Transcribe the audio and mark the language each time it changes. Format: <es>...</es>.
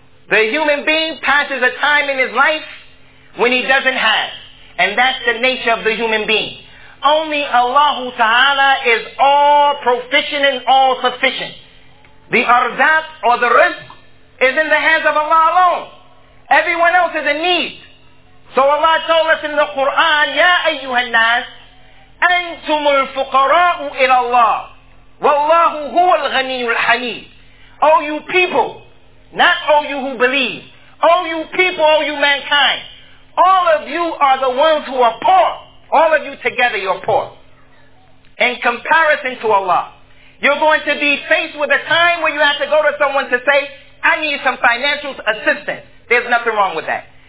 <en>The human being passes a time in his life when he doesn't have. And that's the nature of the human being. Only Allah Ta'ala is all proficient and all sufficient. The arzat or the rizq is in the hands of Allah alone. Everyone else is in need.</en> <ar>So Allah told us in the Quran, يَا أَيُّهَا النَّاسِ أَنْتُمُ الْفُقَرَاءُ إِلَى اللَّهِ وَاللَّهُ هُوَ الْغَنِيُّ الْحَمِيدُ.</ar> <en>O you people, not O you who believe, O you people, O you mankind, all of you are the ones who are poor. All of you together, you're poor. In comparison to Allah, you're going to be faced with a time where you have to go to someone to say, I need some financial assistance. There's nothing wrong with that.</en>